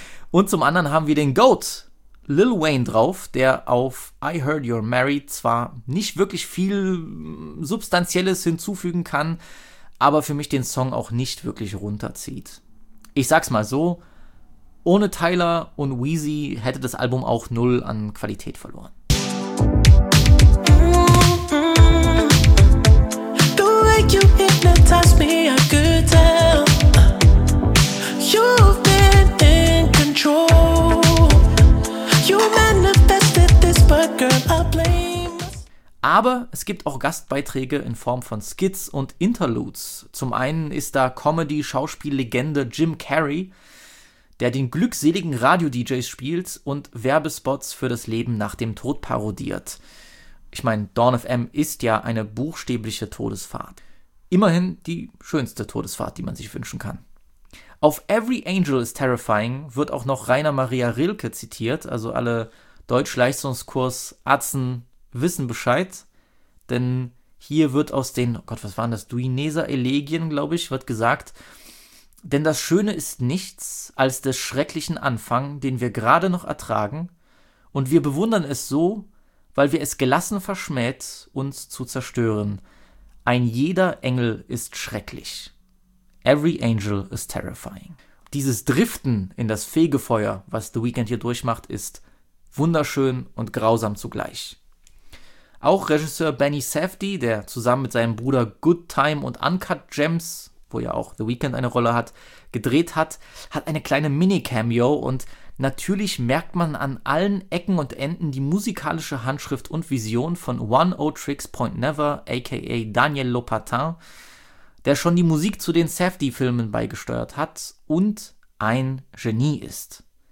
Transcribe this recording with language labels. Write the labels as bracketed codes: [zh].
[de] Und zum anderen haben wir den GOAT, Lil Wayne, drauf, der auf I Heard You're Married zwar nicht wirklich viel Substanzielles hinzufügen kann, aber für mich den Song auch nicht wirklich runterzieht. Ich sag's mal so, ohne Tyler und Weezy hätte das Album auch null an Qualität verloren. [en] The way you hypnotize me, I could tell. You've been in control. You manifested this, but girl, I blame. [de] Aber es gibt auch Gastbeiträge in Form von Skits und Interludes. Zum einen ist da Comedy-Schauspiellegende Jim Carrey, der den glückseligen Radio-DJs spielt und Werbespots für das Leben nach dem Tod parodiert. Ich meine, Dawn FM ist ja eine buchstäbliche Todesfahrt. Immerhin die schönste Todesfahrt, die man sich wünschen kann. Auf Every Angel is Terrifying wird auch noch Rainer Maria Rilke zitiert, also alle Deutsch-Leistungskurs-Atzen wissen Bescheid, denn hier wird aus den, oh Gott, was waren das, Duineser Elegien, glaube ich, wird gesagt, denn das Schöne ist nichts als des schrecklichen Anfang, den wir gerade noch ertragen, und wir bewundern es so, weil wir es gelassen verschmäht, uns zu zerstören. Ein jeder Engel ist schrecklich. [en] Every angel is terrifying. [de] Dieses Driften in das Fegefeuer, was The Weeknd hier durchmacht, ist wunderschön und grausam zugleich. Auch Regisseur Benny Safdie, der zusammen mit seinem Bruder Good Time und Uncut Gems, wo ja auch The Weeknd eine Rolle hat, gedreht hat, hat eine kleine Mini-Cameo, und natürlich merkt man an allen Ecken und Enden die musikalische Handschrift und Vision von 103.Never, aka Daniel Lopatin, der schon die Musik zu den Safdie-Filmen beigesteuert hat und ein Genie ist.